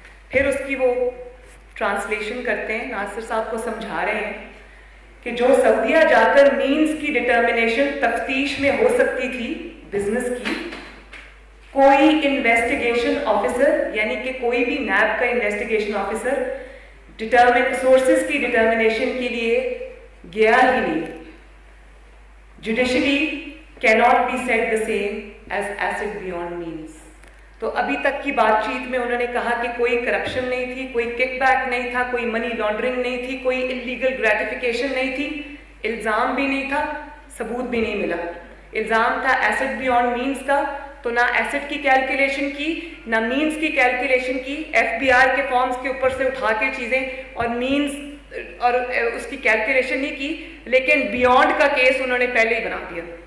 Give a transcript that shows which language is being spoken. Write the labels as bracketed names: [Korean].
[Urdu] پھر اس کی وہ ٹرانسلیشن کرتے ہیں, ناصر صاحب کو سمجھا رہے ہیں کہ جو سعودیہ جا کر مینز کی ڈٹرمنیشن تفتیش میں ہو سکتی تھی بزنس کی, کوئی انویسٹیگیشن آفیسر یعنی کہ کوئی بھی نیب کا انویسٹیگیشن آفیسر سورسز کی ڈٹرمنیشن کے لیے گیا ہی نہیں. [English] Judicially cannot be said the same as ایسڈ beyond means. [Urdu] تو ابھی تک کی بات چیت میں انہوں نے کہا کہ کوئی کرپشن نہیں تھی, کوئی کک بیک نہیں تھا, کوئی منی لانڈرنگ نہیں تھی, کوئی انلیگل گریٹیفیکیشن نہیں تھی, الزام بھی نہیں تھا, ثبوت بھی نہیں ملا. الزام تھا ایسڈ بیونڈ مینز کا, تو نہ ایسٹ کی کیلکولیشن کی، نہ مینز کی کیلکولیشن کی، ایف بی آر کے فارمز کے اوپر سے اٹھا کے چیزیں اور مینز اور اس کی کیلکولیشن نہیں کی، لیکن بیونڈ کا کیس انہوں نے پہلے ہی بنا دیا.